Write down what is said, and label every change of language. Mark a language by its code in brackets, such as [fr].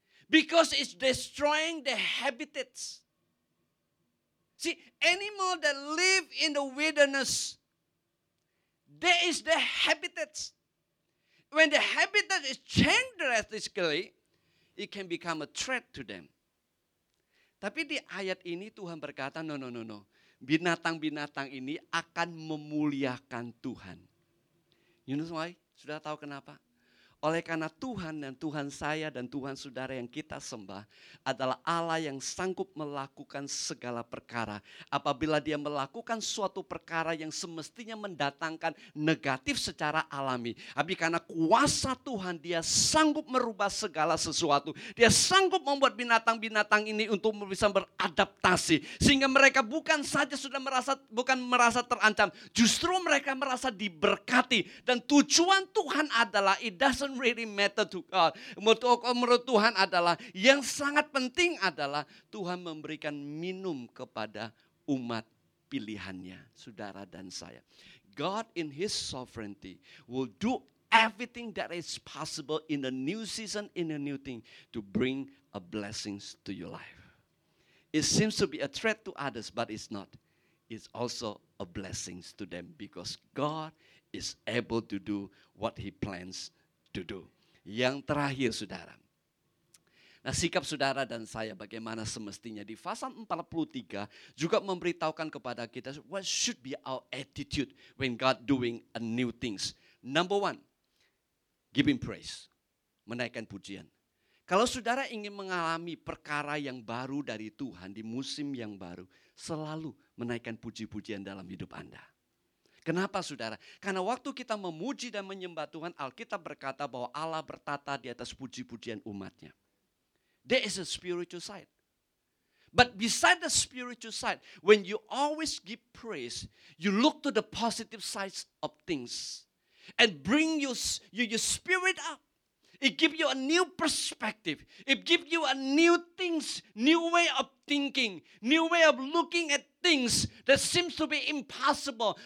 [en] Because it's destroying their habitats. See, animals that live in the wilderness, there is the habitat. When the habitat is changed drastically, it can become a threat to them. [id] Tapi di ayat ini Tuhan berkata, no. Binatang-binatang ini akan memuliakan Tuhan. [en] You know why? [id] Sudah tahu kenapa? Oleh karena Tuhan dan Tuhan saya dan Tuhan saudara yang kita sembah adalah Allah yang sanggup melakukan segala perkara. Apabila dia melakukan suatu perkara yang semestinya mendatangkan negatif secara alami. Tapi karena kuasa Tuhan, dia sanggup merubah segala sesuatu. Dia sanggup membuat binatang-binatang ini untuk bisa beradaptasi. Sehingga mereka bukan saja sudah merasa, bukan merasa terancam. Justru mereka merasa diberkati. Dan tujuan Tuhan adalah idah. [en] Doesn't really matter to God. [id] Menurut Tuhan adalah yang sangat penting adalah Tuhan memberikan minum kepada umat pilihannya, saudara dan saya. [en] God in His sovereignty will do everything that is possible in the new season, in a new thing, to bring a blessings to your life. It seems to be a threat to others, but it's not. It's also a blessings to them because God is able to do what He plans. [id] Duduk. Yang terakhir, saudara. Nah, sikap saudara dan saya bagaimana semestinya di pasal 43 juga memberitahukan kepada kita [en] what should be our attitude when God doing a new things. Number one, give Him praise. [id] Menaikkan pujian. Kalau saudara ingin mengalami perkara yang baru dari Tuhan di musim yang baru, selalu menaikkan puji-pujian dalam hidup Anda. Kenapa, saudara? Karena waktu kita memuji dan menyembah Tuhan, Alkitab berkata bahwa Allah bertata di atas puji-pujian umat-Nya. [en] There is a spiritual side. But beside the spiritual side, when you always give praise, you look to the positive sides of things and bring your spirit up. It gives you a new perspective. It gives you a new things, new way of thinking, new way of looking at things that seems to be impossible.